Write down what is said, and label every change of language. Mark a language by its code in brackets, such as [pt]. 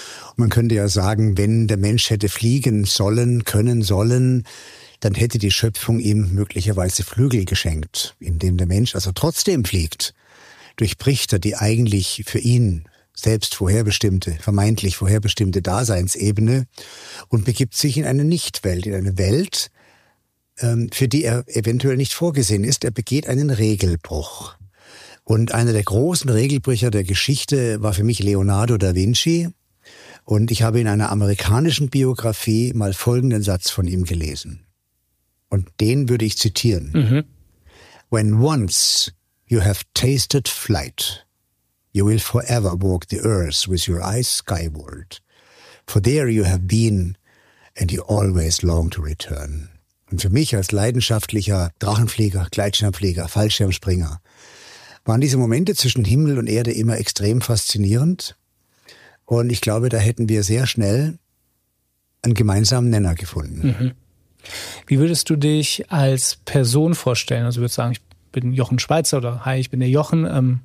[de] Und man könnte ja sagen, wenn der Mensch hätte fliegen sollen, können sollen, dann hätte die Schöpfung ihm möglicherweise Flügel geschenkt, indem der Mensch also trotzdem fliegt, durchbricht er die eigentlich für ihn selbst vermeintlich vorherbestimmte Daseinsebene und begibt sich in eine Nichtwelt, in eine Welt, für die er eventuell nicht vorgesehen ist. Er begeht einen Regelbruch. Und einer der großen Regelbrecher der Geschichte war für mich Leonardo da Vinci. Und ich habe in einer amerikanischen Biografie mal folgenden Satz von ihm gelesen. Und den würde ich zitieren. Mhm. [en] When once you have tasted flight, you will forever walk the earth with your eyes skyward. For there you have been and you always long to return. [de] Und für mich als leidenschaftlicher Drachenflieger, Gleitschirmflieger, Fallschirmspringer waren diese Momente zwischen Himmel und Erde immer extrem faszinierend. Und ich glaube, da hätten wir sehr schnell einen gemeinsamen Nenner gefunden. Mhm. Wie würdest du dich als Person vorstellen? Also würdest du sagen, ich bin Jochen Schweizer oder hi, ich bin der Jochen.